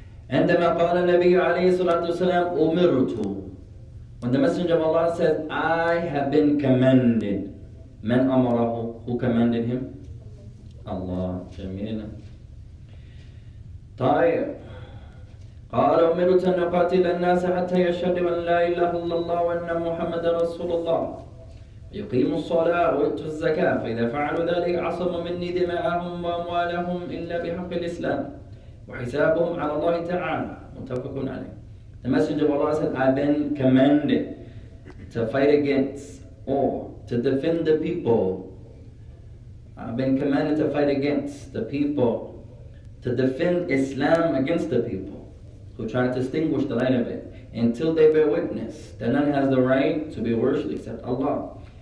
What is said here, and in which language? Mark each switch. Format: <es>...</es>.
<ar>عندما قال النبي عليه الصلاة والسلام أمرت.</ar> <en>When the Messenger of Allah said, I have been commanded.</en> <ar>من أمره?</ar> <en>Who commanded him?</en> <ar>Allah, جميلا. طيب. قال أمرت أن أقاتل الناس حتى يشهد أن لا إله إلا الله وأن محمد رسول الله. يقيم الصلاة ويؤتوا الزكاة فإذا فعلوا ذلك عصموا مني دماءهم وأموالهم إلا بحق الإسلام وحسابهم على الله تعالى متفق عليه.</ar> <en>The Messenger of Allah said, I've been commanded to fight against or to defend the people. I've been commanded to fight against the people, to defend Islam against the people who try to extinguish the light of it until they bear witness that none has the right to be worshipped except Allah.</en>